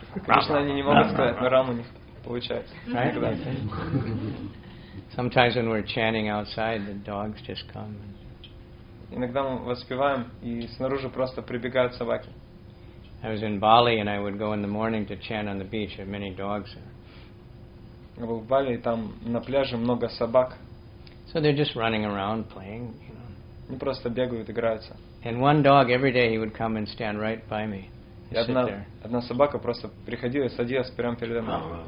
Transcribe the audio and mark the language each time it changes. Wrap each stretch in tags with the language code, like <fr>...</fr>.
<ru>Кришна они не могут сказать, но Рам у них получается.</ru> <en>Right? Sometimes when we're chanting outside, the dogs just come.</en> <ru>Иногда мы воспеваем, и снаружи просто прибегают собаки.</ru> <en>I was in Bali, and I would go in the morning to chant on the beach. There are many dogs there.</en> <ru>Я был в Бали, и там на пляже много собак.</ru> <en>So they're just running around, playing, you know.</en> <ru>Они просто бегают, играются.</ru> <en>And one dog every day he would come and stand right by me.</en> <ru>Одна собака просто приходила и садилась прямо передо мной.</ru>